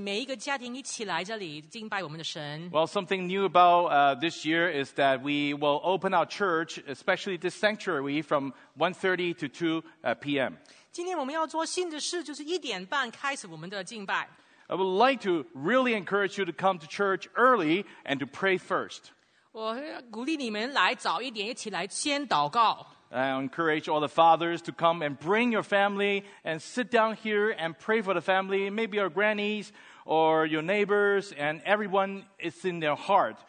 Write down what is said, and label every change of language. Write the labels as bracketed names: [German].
[English] Well, something new about this year is that we will open our church, especially this sanctuary, from 1:30 to 2 p.m. [Chinese] 今天我们要做新的事，就是一点半开始我们的敬拜。 [English] I would like to really encourage you to come to church early and to pray first. I encourage all the fathers to come and bring your family and sit down here and pray for the family, maybe your grannies or your neighbors, and everyone is in their heart.